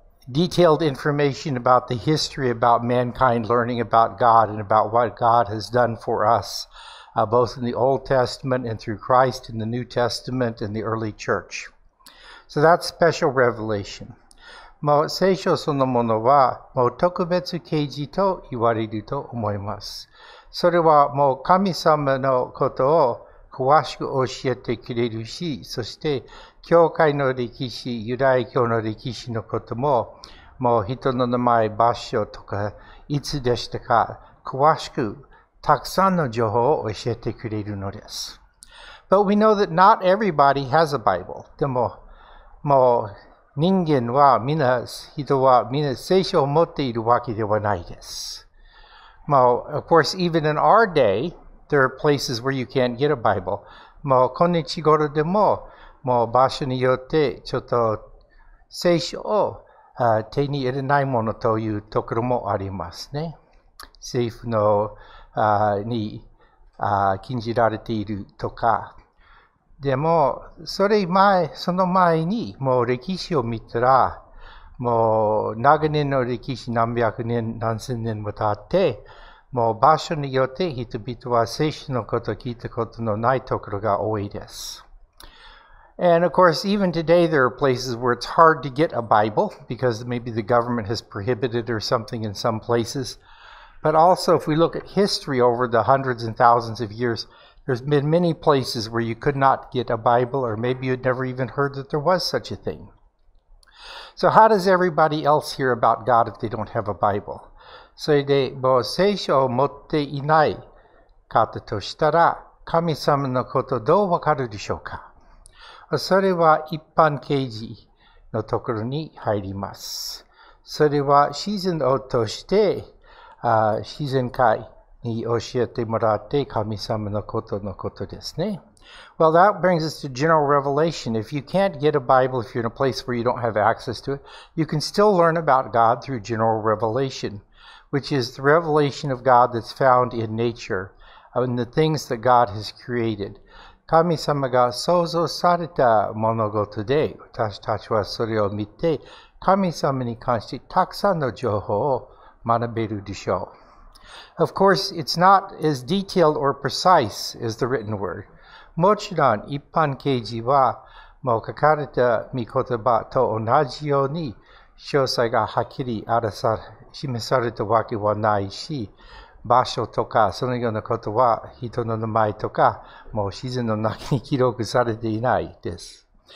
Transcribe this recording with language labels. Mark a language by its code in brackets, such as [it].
[en] detailed information about the history, about mankind, learning about God and about what God has done for us, both in the Old Testament and through Christ in the New Testament and the early church. So that's special revelation. [ja] もう聖書そのものはもう特別啓示と言われると思います。それはもう神様のことを詳しく教えてくれるし、そして教会の歴史、ユダヤ教の歴史のことも、もう人の名前、場所とか、いつでしたか、詳しくたくさんの情報を教えてくれるのです。 [en] But we know that not everybody has a Bible. [ja] でも、もう人間はみんな、人はみんな聖書を持っているわけではないです。 [en] もう、of course, even in our day,There are places where you can't get a Bible. [ja] もう今日頃でも、もう場所によってちょっと聖書を手に入れないものというところもありますね。政府のに禁じられているとか。でも、その前に、もう歴史を見たら、もう長年の歴史、何百年、何千年も経って、もう場所によって人々は聖書のことを聞いたことのないところが多いです。 [en] And of course, even today, there are places where it's hard to get a Bible because maybe the government has prohibited or something in some places. But also, if we look at history over the hundreds and thousands of years, there's been many places where you could not get a Bible, or maybe you'd never even heard that there was such a thing. So how does everybody else hear about God if they don't have a Bible? [ja] それで、もう聖書を持っていない方としたら、神様のことどうわかるでしょうか？それは一般啓示のところに入ります。それは自然を通して、自然界に教えてもらって神様のことのことですね。 [en] Well, that brings us to general revelation. If you can't get a Bible, if you're in a place where you don't have access to it, you can still learn about God through general revelation, which is the revelation of God that's found in nature, in the things that God has created. [ja] 神様が創造された物事で、私たちはそれを見て、神様に関してたくさんの情報を学べるでしょう。 [en] Of course, it's not as detailed or precise as the written word. [ja] もちろん、一般啓示は、もう書かれた御言葉と同じように、詳細がはっきり示されたわけはないし、場所とかそのようなことは人の名前とかもう自然の中に記録されていないです。